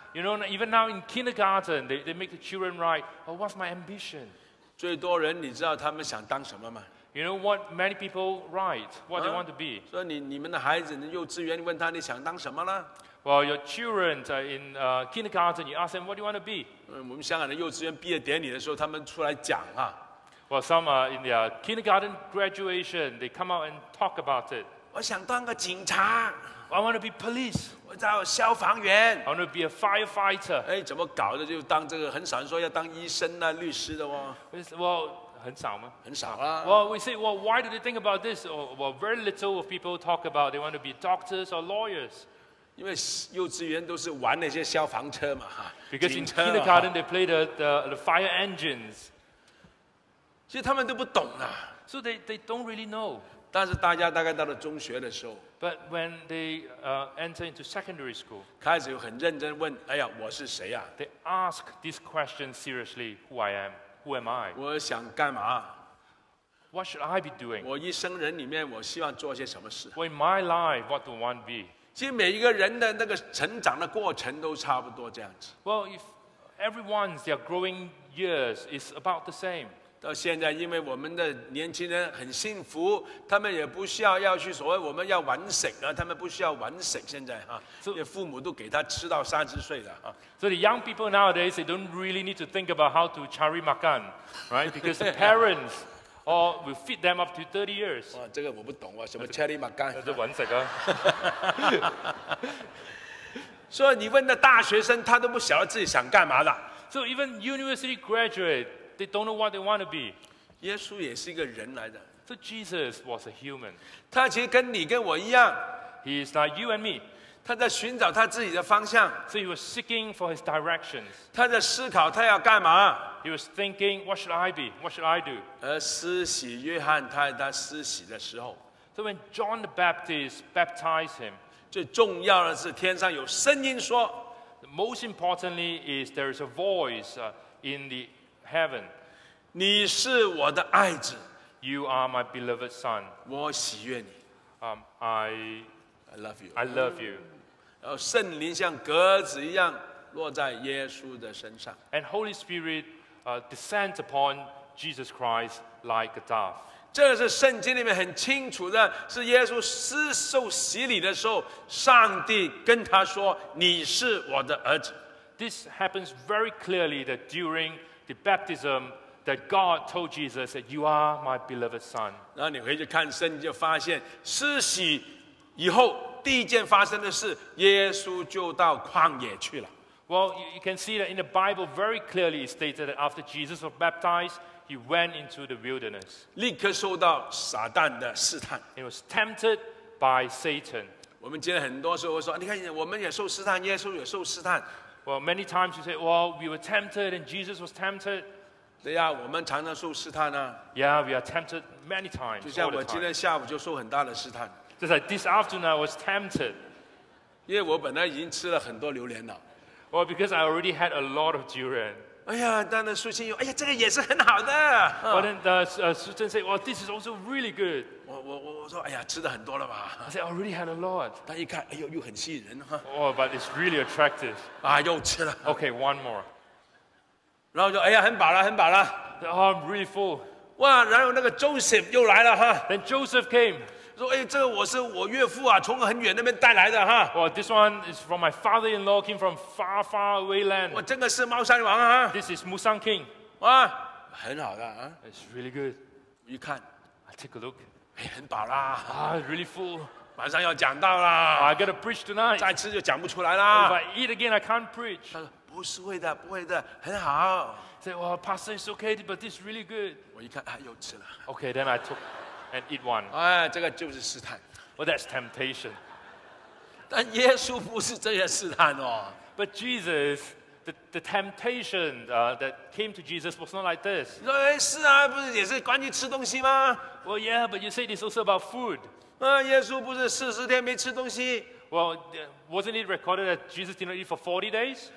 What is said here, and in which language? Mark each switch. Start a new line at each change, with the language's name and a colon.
English: ？You know, even now in kindergarten, they make the children write, "Oh, what's my ambition?"
Chinese: 最多人你知道他们想当什么吗
English: ？You know what many people write, what they want to be.
Chinese: 所以你们的孩子，你幼稚园问他你想当什么呢
English: ？Well, your children in kindergarten, you ask them, "What do you want to be?"
Chinese: 我们香港的幼稚园毕业典礼的时候，他们出来讲啊。
English: Well, some in their kindergarten graduation, they come out and talk about it.
Chinese: 我想当个警察。
English: I want to be police.
Chinese: 我当消防员。
English: I want to be a firefighter.
Chinese: 哎，怎么搞的？就当这个很少人说要当医生啊、律师的哦。 Well, 很少吗？很少啦。
English: Well, we say, well, why do they think about this? Well, very little of people talk about they want to be doctors or lawyers.
Chinese: 因为幼稚园都是玩那些消防车嘛，哈。
English: Because in kindergarten they play the fire engines.
Chinese: 其实他们都不懂啊。
English: So they don't really know.
Chinese: 但是大家大概到了中学的时候。
English: But when they enter into secondary school.
Chinese: 开始很认真问，哎呀，我是谁啊
English: ？They ask this question seriously. Who I am? Who am I?
Chinese: 我想干嘛
English: ？What should I be doing?
Chinese: 我一生人里面，我希望做些什么事
English: ？In my life, what do I want to be?
Chinese: 其实每一个人的那个成长的过程都差不多这样子。
English: Well, if everyone's their growing years is about the same.
Chinese: 到现在因为我们的年轻人很幸福他们也不需要要去所谓我们要完食啊他们不需要完食现在啊所以父母都给他吃到三十岁了啊
English: So the young people nowadays they don't really need to think about how to
Malay: cari makan
English: right because the parents or will feed them up to 30 years
Chinese: 哇这个我不懂啊什么
Malay: cari makan
Chinese: 这完食啊所以你问的大学生他都不晓得自己想干嘛了
English: So even university graduateThey don't know what they want to be.
Chinese: 耶稣也是一个人来的。
English: So Jesus was a human.
Chinese: 他其实跟你跟我一样。
English: He is like you and me.
Chinese: 他在寻找他自己的方向。
English: So he was seeking for his directions.
Chinese: 他在思考他要干嘛。
English: He was thinking, what should I be? What should I do?
Chinese: 而施洗约翰他在他施洗的时候。
English: So when John the Baptist baptized him.
Chinese: 最重要的是天上有声音说。
English: The most importantly is there is a voice in the Heaven,
Chinese: 你是我的爱子。
English: You are my beloved son.
Chinese: 我喜悦你。
English: I love you. I love you.
Chinese: 然后圣灵像鸽子一样落在耶稣的身上。
English: And Holy Spirit, descends upon Jesus Christ like a dove.
Chinese: 这是圣经里面很清楚的，是耶稣受洗礼的时候，上帝跟他说：“你是我的儿子。”
English: This happens very clearly that during the baptism that God told Jesus that you are my beloved son.
Chinese: 然后你回去看圣经，就发现施洗以后第一件发生的事，耶稣就到旷野去了。
English: Well, you can see that in the Bible very clearly it stated that after Jesus was baptized, he went into the wilderness.
Chinese: 立刻受到撒旦的试探。
English: He was tempted by Satan.
Chinese: 我们今天很多时候说，你看我们也受试探，耶稣也受试探。
English: Well, many times you say, well, we were tempted and Jesus was tempted.
Chinese: 对呀，我们常常受试探啊。
English: Yeah, we are tempted many times.
Chinese: 就像我今天下午就受很大的试探。
English: Just like this afternoon I was tempted.
Chinese: 因为我本来已经吃了很多榴莲了。
English: Well, because I already had a lot of durian.
Chinese: 哎呀，当然苏青又，哎呀，这个也是很好的。
English: But then Su Chen said, well, this is also really good.
Chinese: 我说，哎呀，吃的很多了吧。
English: I said, I already had a lot.
Chinese: 但一看，哎呦，又很吸引人。
English: Oh, but it's really attractive.
Chinese: 啊，又吃了。
English: Okay, one more.
Chinese: 然后就，哎呀，很饱了，很饱了。
English: Oh, I'm really full.
Chinese: 哇，然后那个 Joseph 又来了哈。
English: Then Joseph came.
Chinese: 说，哎，这个我是我岳父啊，从很远那边带来的哈。
English: Well, this one is from my father-in-law, came from far, far away land.
Chinese: 哇，这个是猫山王啊。
English: This is Musan King.
Chinese: 哇，很好的啊。
English: It's really good.
Chinese: 一看
English: ，I take a look.
Chinese: 很饱啦
English: really full.
Chinese: 晚上要讲到啦
English: I got to preach tonight.
Chinese: 再吃就讲不出来啦
English: If I eat again, I can't preach.
Chinese: 他说不不是会的，不会的，很好。
English: Say, well, Pastor, it's okay, but this is really good.
Chinese: 我一看，啊，又吃了。
English: Okay, then I took and eat one.
Chinese: 哎，这个就是试探。
English: Well, that's temptation.
Chinese: 但耶稣不是这些试探哦。
English: But Jesus, the temptation that came to Jesus was not like this.
Chinese: 你说，哎，是啊，不是也是关于吃东西吗？
English: Well, yeah, but you said it's also about food.
Chinese: 啊，耶稣不是四十天没吃东西？
English: Well, wasn't it recorded that Jesus did not eat for 40 days?